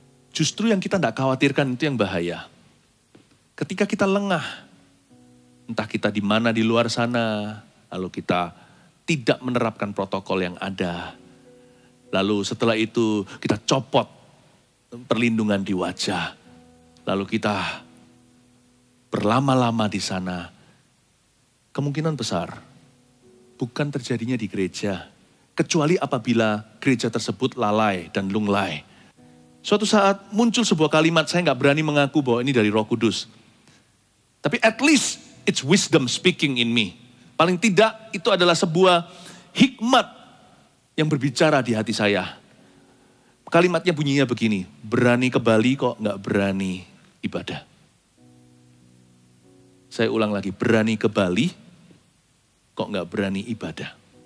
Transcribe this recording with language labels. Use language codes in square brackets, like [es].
[id] Justru yang kita tidak khawatirkan itu yang bahaya. Ketika kita lengah, entah kita di mana di luar sana, lalu kita tidak menerapkan protokol yang ada, lalu setelah itu kita copot perlindungan di wajah, lalu kita berlama-lama di sana, kemungkinan besar bukan terjadinya di gereja, kecuali apabila gereja tersebut lalai dan lunglai. Suatu saat muncul sebuah kalimat, saya gak berani mengaku bahwa ini dari Roh Kudus. Tapi [en] at least it's wisdom speaking in me. [id] Paling tidak itu adalah sebuah hikmat yang berbicara di hati saya. Kalimatnya bunyinya begini, berani ke Bali kok gak berani ibadah. Saya ulang lagi, berani ke Bali kok gak berani ibadah.